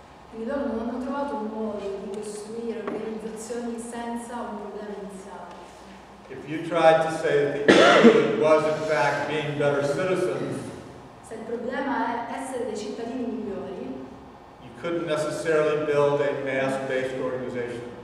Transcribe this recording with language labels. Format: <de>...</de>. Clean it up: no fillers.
<it>Quindi loro non hanno trovato un modo di costruire organizzazioni senza un problema iniziale.</it> <en>If you tried to say that the issue was in fact being better citizens,</en> <it>se il problema è essere dei cittadini migliori,</it> <en>you couldn't necessarily build a mass-based organization.</en>